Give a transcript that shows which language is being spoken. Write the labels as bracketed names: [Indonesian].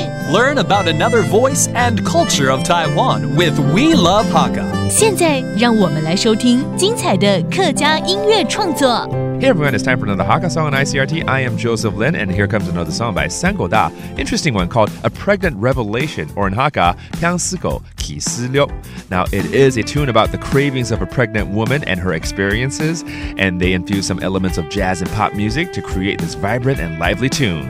[English] Learn about another voice and culture of Taiwan with We Love Hakka. [Chinese] 现在让我们来收听精彩的客家音乐创作。 [English] Hey everyone, it's time for another Hakka song on ICRT. I am Joseph Lin, and here comes another song by San Geu Tai. Interesting one called A Pregnant Revelation, or in Hakka, 病子歌啟示錄. Now, it is a tune about the cravings of a pregnant woman and her experiences, and they infuse some elements of jazz and pop music to create this vibrant and lively tune.